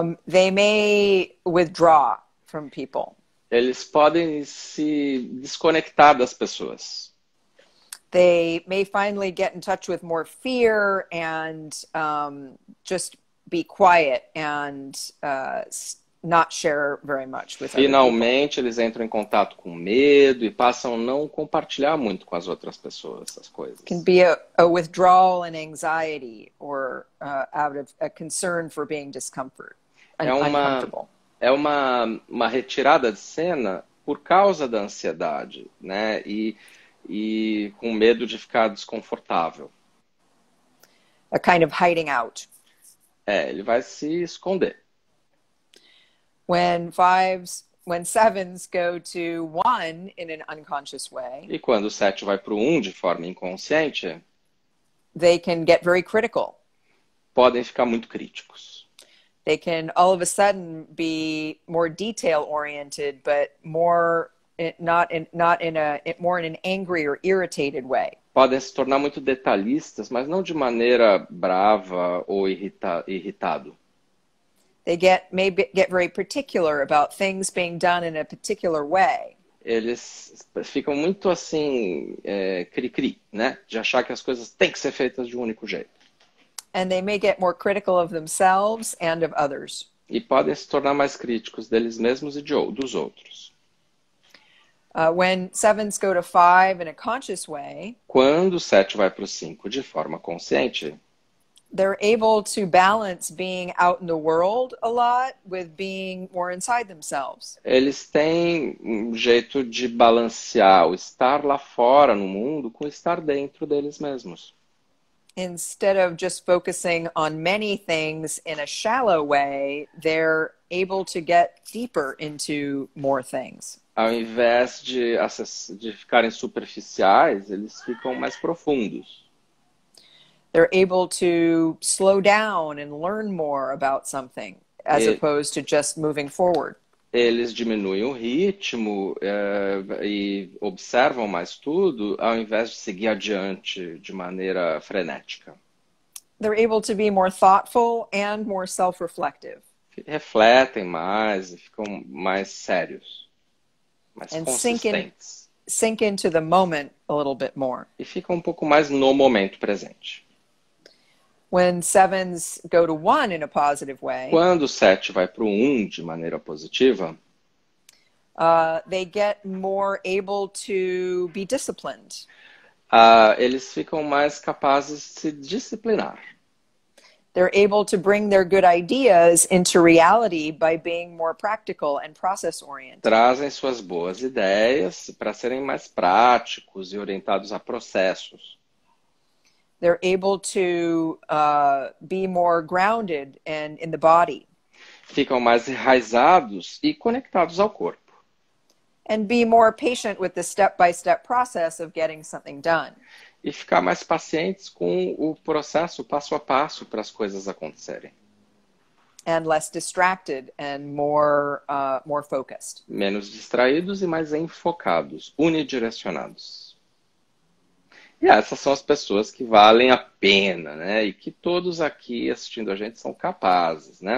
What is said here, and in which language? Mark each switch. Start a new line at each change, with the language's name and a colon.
English: They may withdraw from people.
Portuguese: Eles podem se desconectar das pessoas.
English: They may finally get in touch with more fear and just be quiet and not share very much with others.
Portuguese: Finalmente, eles entram em contato com medo e passam a não compartilhar muito com as outras pessoas essas coisas.
English: Can be a withdrawal and anxiety or out of a concern for being discomfort.
Portuguese: É uma retirada de cena por causa da ansiedade, né? E com medo de ficar desconfortável.
English: A kind of hiding out.
Portuguese: É, ele vai se esconder.
English: When sevens go to 1 in an unconscious way.
Portuguese: E quando o 7 vai para o 1 de forma inconsciente,
English: they can get very critical.
Portuguese: Podem ficar muito críticos.
English: They can all of a sudden be more detail oriented, but more more in an angry or irritated way.
Portuguese: Podem se tornar muito detalhistas, mas não de maneira brava ou irritado.
English: They get very particular about things being done in a particular way.
Portuguese: Eles ficam muito assim, cri-cri, né? De achar que as coisas têm que ser feitas de um único jeito.
English: And they may get more critical of themselves and of others.
Portuguese: E podem se tornar mais críticos deles mesmos e dos outros.
English: When sevens go to 5 in a conscious way,
Portuguese: quando o 7 vai para o 5 de forma consciente,
English: they're able to balance being out in the world a lot with being more inside themselves.
Portuguese: Eles têm um jeito de balancear o estar lá fora no mundo com estar dentro deles mesmos.
English: Instead of just focusing on many things in a shallow way, they're able to get deeper into more things.
Portuguese: Ao invés de ficarem superficiais, eles ficam mais profundos.
English: They're able to slow down and learn more about something, as opposed to just moving forward.
Portuguese: Eles diminuem o ritmo e observam mais tudo, ao invés de seguir adiante de maneira frenética.
English: They're able to be more thoughtful and more self-reflective.
Portuguese: Refletem mais e ficam mais sérios.
English: And sink into the moment a little bit more.
Portuguese: E fica um pouco mais no momento presente.
English: When sevens go to 1 in a positive way,
Portuguese: quando o 7 vai para o 1 de maneira positiva,
English: they get more able to be disciplined.
Portuguese: Eles ficam mais capazes de se disciplinar.
English: They're able to bring their good ideas into reality by being more practical and process-oriented.
Portuguese: Trazem suas boas ideias para serem mais práticos e orientados a processos.
English: They're able to be more grounded and in the body.
Portuguese: Ficam mais enraizados e conectados ao corpo.
English: And be more patient with the step-by-step process of getting something done.
Portuguese: E ficar mais pacientes com o processo passo a passo para as coisas acontecerem.
English: And less distracted and more focused.
Portuguese: Menos distraídos e mais enfocados, unidirecionados. E essas são as pessoas que valem a pena, né? E que todos aqui assistindo a gente são capazes, né?